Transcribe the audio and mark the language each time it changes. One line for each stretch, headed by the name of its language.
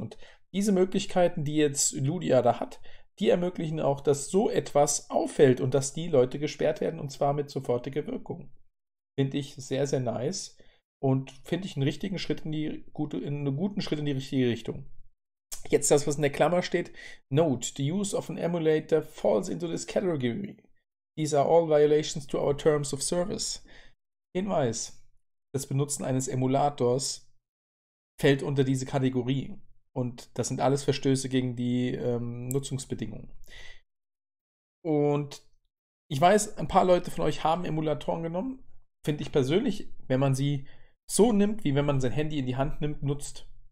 German: Und diese Möglichkeiten, die jetzt Ludia da hat, die ermöglichen auch, dass so etwas auffällt und dass die Leute gesperrt werden und zwar mit sofortiger Wirkung. Finde ich sehr, sehr nice und finde ich einen richtigen Schritt in einen guten Schritt in die richtige Richtung. Jetzt das, was in der Klammer steht.
English: Note, the use of an emulator falls into this category. These are all violations to our terms of service.
German: Hinweis: Das Benutzen eines Emulators fällt unter diese Kategorie. Und das sind alles Verstöße gegen die Nutzungsbedingungen. Und ich weiß, ein paar Leute von euch haben Emulatoren genommen. Finde ich persönlich, wenn man sie so nimmt, wie wenn man sein Handy in die Hand nimmt, nutzt.